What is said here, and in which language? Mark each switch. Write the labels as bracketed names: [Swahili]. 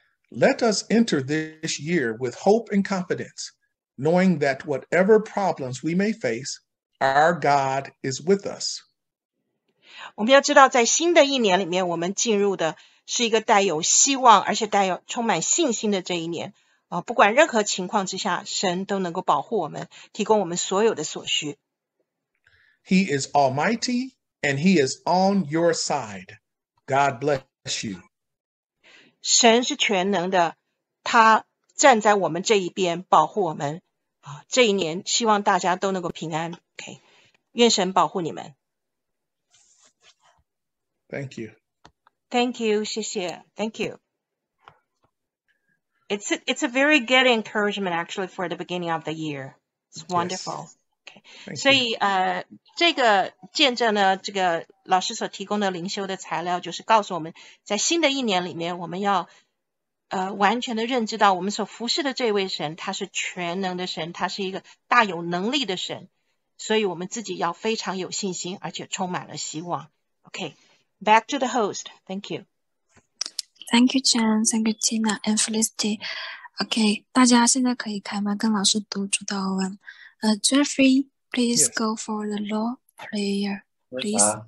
[English] Let us enter this year with hope and confidence, knowing that whatever problems we may face, our God is with us. [Chinese] 我们要知道，在新的一年里面，我们进入的是一个带有希望，而且带有充满信心的这一年啊！不管任何情况之下，神都能够保护我们，提供我们所有的所需。 [English] He is Almighty, and He is on your side. God bless you. [Chinese] 神是全能的，他站在我们这一边，保护我们啊！这一年，希望大家都能够平安。 OK， 愿神保护你们。 [English] Thank you. Thank you, 谢谢 Thank you. It's a very good encouragement actually for the beginning of the year. It's wonderful. Yes. Okay. [Chinese] 所以这个见证呢，这个老师所提供的灵修的材料，就是告诉我们在新的一年里面，我们要完全的认知到我们所服侍的这位神，他是全能的神，他是一个大有能力的神，所以我们自己要非常有信心，而且充满了希望。 [English] Okay. Back to the host. Thank you. Thank you, Chan. Thank you, Tina and Felicity. [Chinese] Okay, 大家现在可以开麦跟老师读主祷文。 [English] Jeffrey, please、 yes. go for the Lord prayer, please.